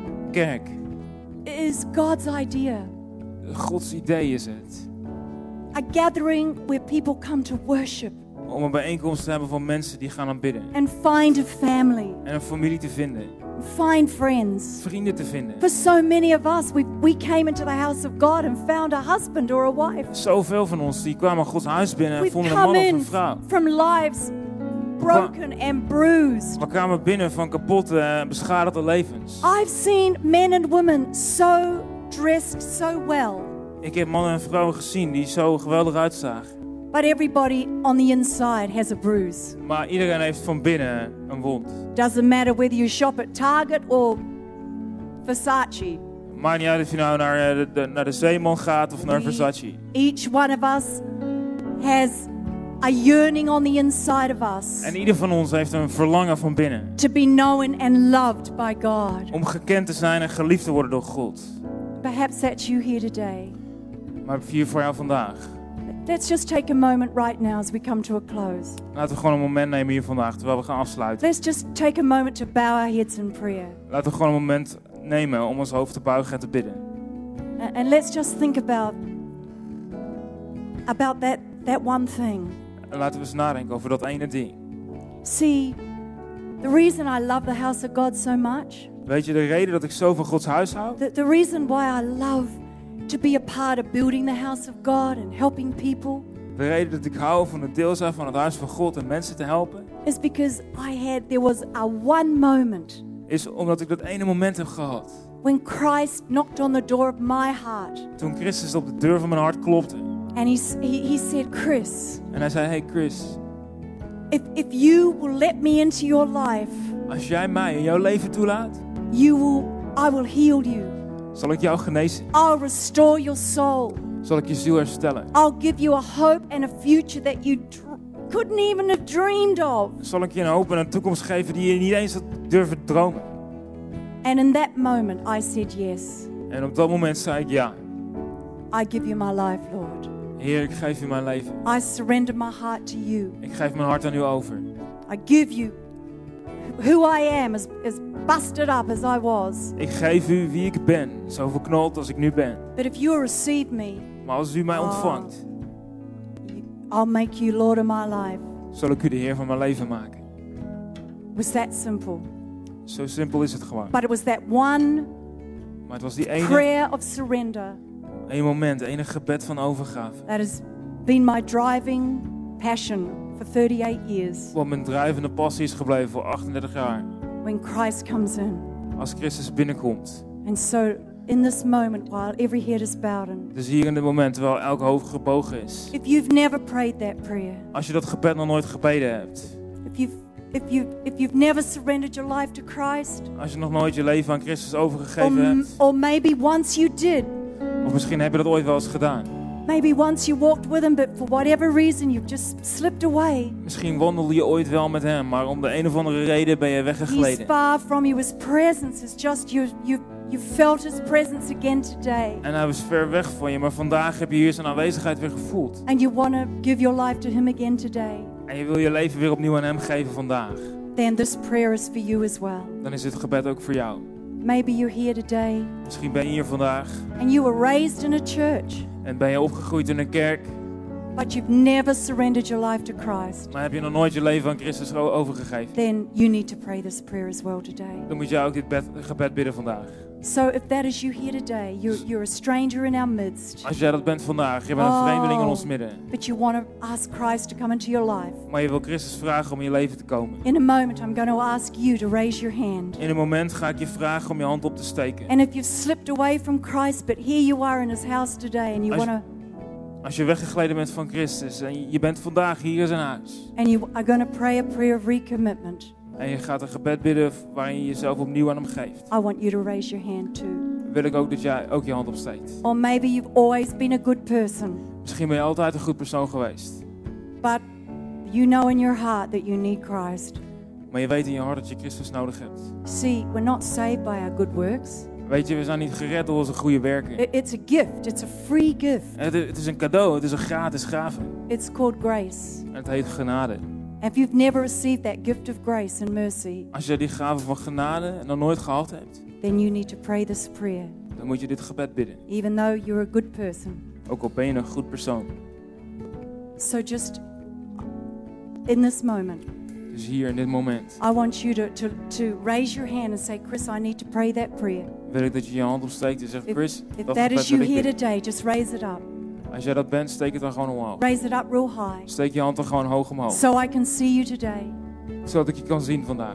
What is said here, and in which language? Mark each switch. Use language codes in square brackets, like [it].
[nl] Kerk. [en] Is God's idea. [nl] Gods idee is het. [en] A gathering where people come to worship. [nl] Om een bijeenkomst te hebben van mensen die gaan aanbidden. [en] And find a family. [nl] En een familie te vinden. [en] Find friends. [nl] Vrienden te vinden. [en] For so many of us, we came into the house of God and found a husband or a wife. [nl] Zoveel van ons die kwamen Gods huis binnen en vonden een man of een vrouw. [en] We've come in from lives broken and bruised. [nl] We kwamen binnen van kapotte en beschadigde levens. [en] I've seen men and women so dressed so well. [nl] Ik heb mannen en vrouwen gezien die zo geweldig uitzagen. [en] But everybody on the inside has a bruise. [nl] Maar iedereen heeft van binnen een wond. [en] Doesn't matter whether you shop at Target or Versace. [nl] Maakt niet uit of je nou naar de Zeeman gaat of naar Versace. [en] Each one of us has a yearning on the inside of us. [nl] En ieder van ons heeft een verlangen van binnen. [en] To be known and loved by God. [nl] Om gekend te zijn en geliefd te worden door God. [en] Perhaps that's you here today. [nl] Maar hier voor jou vandaag. [en] Let's just take a moment right now as we come to a close. [nl] Laten we gewoon een moment nemen hier vandaag terwijl we gaan afsluiten. [en] Let's just take a moment to bow our heads in prayer. [nl] Laten we gewoon een moment nemen om ons hoofd te buigen en te bidden. [en] And let's just think about that one thing. [nl] En laten we eens nadenken over dat ene ding. [en] See, the reason I love the house of God so much. [nl] Weet je de reden dat ik zo van Gods huis hou? [en] The reason why I love to be a part of building the house of God and helping people. [nl] De reden dat ik hou van het deel zijn van het huis van God en mensen te helpen. [en] Is because there was a one moment. [nl] Is omdat ik dat ene moment heb gehad. [en] When Christ knocked on the door of my heart. [nl] Toen Christus op de deur van mijn hart klopte. [en] And he said, Chris. [nl] En hij zei, hey Chris. [en] If you will let me into your life. [nl] Als jij mij in jouw leven toelaat. [en] I will heal you. [nl] Zal ik jou genezen? [en] I'll restore your soul. [nl] Zal ik je ziel herstellen? [en] I'll give you a hope and a future that you couldn't even have dreamed of. [nl] Zal ik je een hoop en een toekomst geven die je niet eens had durven dromen? [en] And in that moment I said yes. [nl] En op dat moment zei ik ja. [en] I give you my life, Lord. [nl] Heer, ik geef u mijn leven. [en] I surrender my heart to you. [nl] Ik geef mijn hart aan u over. [en] I give you who I am, as busted up as I was. [nl] Ik geef u wie ik ben, zo verknald als ik nu ben. [en] But if you receive me, [nl] maar als u mij ontvangt, [en] I'll make you Lord of my life. [nl] Zal ik u de Heer van mijn leven maken. [en] Was that simple? [nl] Zo simpel is het gewoon. [en] But it was that one, [nl] maar het was die ene [en] prayer of surrender. [nl] Een moment, enig gebed van overgave. [en] That has been my driving passion for 38 years. [nl] Wat mijn drijvende passie is gebleven voor 38 jaar. [en] When Christ comes in. [nl] Als Christus binnenkomt. [en] And so in this moment, while every head is bowed in. [nl] Dus hier in dit moment, terwijl elk hoofd gebogen is. [en] If you've never prayed that prayer. [nl] Als je dat gebed nog nooit gebeden hebt. [en] If you've never surrendered your life to Christ. [nl] Als je nog nooit je leven aan Christus overgegeven hebt. [en] Or maybe once you did. [nl] Of misschien heb je dat ooit wel eens gedaan. [en] Maybe once you walked with him, but for whatever reason you've just slipped away. [nl] Misschien wandelde je ooit wel met hem, maar om de een of andere reden ben je weggegleden. [en] He's far from you. His presence is just you felt his presence again today. [nl] En hij was ver weg van je, maar vandaag heb je hier zijn aanwezigheid weer gevoeld. [en] And you want to give your life to him again today. [nl] En je wil je leven weer opnieuw aan hem geven vandaag. [en] Then this prayer is for you as well. [nl] Dan is dit gebed ook voor jou. [en] Maybe you're here today. [nl] Misschien ben je hier vandaag. [en] And you were raised in a church. [nl] En ben je opgegroeid in een kerk. [en] But you've never surrendered your life to Christ. [nl] Maar heb je nog nooit je leven aan Christus overgegeven? [en] Then you need to pray this prayer as well today. [nl] Dan moet jij ook dit gebed bidden vandaag. [en] So if that is you here today, you're a stranger in our midst. [nl] Als jij dat bent vandaag, je bent een vreemdeling in ons midden. [en] But you want to ask Christ to come into your life. [nl] Maar je wil Christus vragen om in je leven te komen. [en] In a moment, I'm going to ask you to raise your hand. [nl] In een moment ga ik je vragen om je hand op te steken. [en] And if you've slipped away from Christ, but here you are in His house today, and you want to. [nl] Als je weggegleden bent van Christus en je bent vandaag hier in zijn huis. [en] And you are going to pray a prayer of recommitment. [nl] En je gaat een gebed bidden waarin je jezelf opnieuw aan hem geeft. [en] I want you to raise your hand too. [nl] Wil ik ook dat jij ook je hand opsteekt. [en] Or maybe you've always been a good person. [nl] Misschien ben je altijd een goed persoon geweest. [en] But you know in your heart that you need Christ. [nl] Maar je weet in je hart dat je Christus nodig hebt. [en] See, we're not saved by our good works. [nl] Weet je, we zijn niet gered door onze goede werken. [en] It's a gift. It's a free gift. [nl] Het is een cadeau. Het is een gratis gave. [en] It's called grace. [nl] Het heet genade. [en] If you've never received that gift of grace and mercy, [nl] als je die gave van genade nog nooit gehad hebt, [en] then you need to pray this prayer. [nl] Dan moet je dit gebed bidden. [en] Even though you're a good person. [nl] Ook al ben je een goed persoon. [en] So just in this moment. [nl] Dus hier in dit moment. [en] I want you to raise your hand and say, Chris, I need to pray that prayer. [nl] Wil ik dat je je hand opsteekt en zegt, Chris, [en] if that is you here today, just raise it up. [nl] Als jij dat bent, steek het dan gewoon omhoog. [en] Raise it up real high. [nl] Steek je hand dan gewoon hoog omhoog. [en] So I can see you today. [nl] Zodat ik je kan zien vandaag.